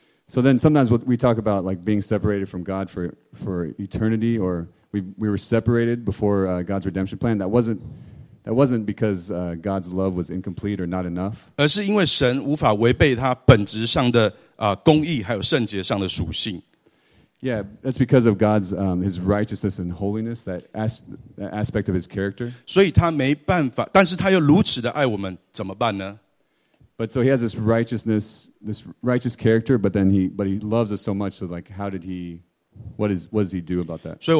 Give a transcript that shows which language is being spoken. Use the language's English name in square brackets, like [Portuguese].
[English] So then sometimes what we talk about like being separated from God for eternity, or we were separated before God's redemption plan, that wasn't because God's love was incomplete or not enough. [Chinese] 而是因为神无法违背他本质上的, 公义还有圣洁上的属性。 [English] Yeah, that's because of God's his righteousness and holiness, that aspect of his character. [Chinese] 所以他没办法，但是他又如此的爱我们，怎么办呢？ [English] But so he has this righteousness, this righteous character, but then he loves us so much, so like what does he do about that?